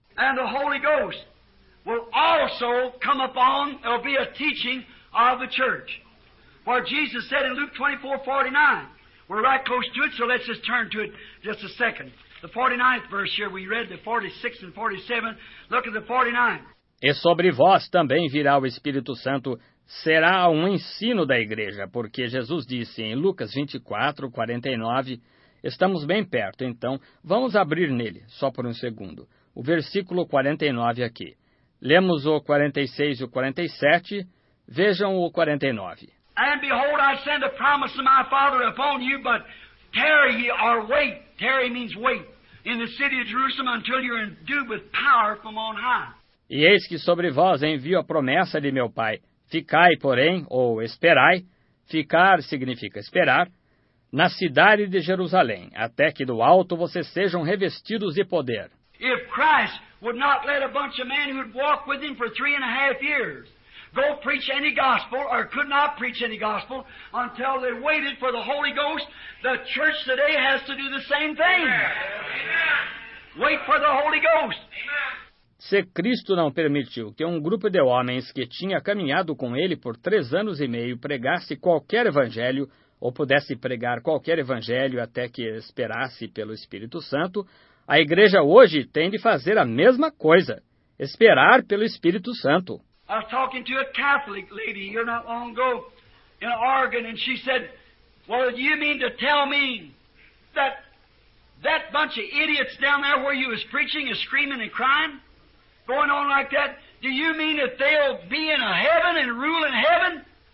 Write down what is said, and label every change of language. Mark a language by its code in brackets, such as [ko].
[en] And the Holy Ghost will also come upon, it'll be a teaching of the church. For Jesus said in Luke 24:49, we're right close to it, so let's just turn to it just a second. The 49th verse here, we read the 46 and 47, look at the 49. [pt] E sobre vós também virá o Espírito Santo, será um ensino da igreja, porque Jesus disse em Lucas 24, 49, estamos bem perto, então vamos abrir nele, só por um segundo, o versículo 49 aqui. Lemos o 46 e o 47, vejam o 49. [en] And behold, I send a promise of my Father upon you, but tarry ye, or wait, tarry means wait, in the city of Jerusalem until you're endued with power from on high. [pt] E eis que sobre vós envio a promessa de meu Pai, ficai, porém, ou esperai, ficar significa esperar, na cidade de Jerusalém, até que do alto vocês sejam revestidos de poder. [en] If Christ would not let a bunch of men who'd walk with him for 3.5 years go preach any gospel, or could not preach any gospel, until they waited for the Holy Ghost, the church today has to do the same thing. Amen. Wait for the Holy Ghost. Amen. [pt] Se Cristo não permitiu que um grupo de homens que tinha caminhado com ele por 3 anos e meio pregasse qualquer evangelho, ou pudesse pregar qualquer evangelho até que esperasse pelo Espírito Santo, a igreja hoje tem de fazer a mesma coisa, esperar pelo Espírito Santo. [en] I was talking to a Catholic lady here not long ago in Oregon, and she said, well, do you mean to tell me that that bunch of idiots down there where you was preaching is screaming and crying, going on like that, do you mean that they'll be in a heaven and rule in heaven?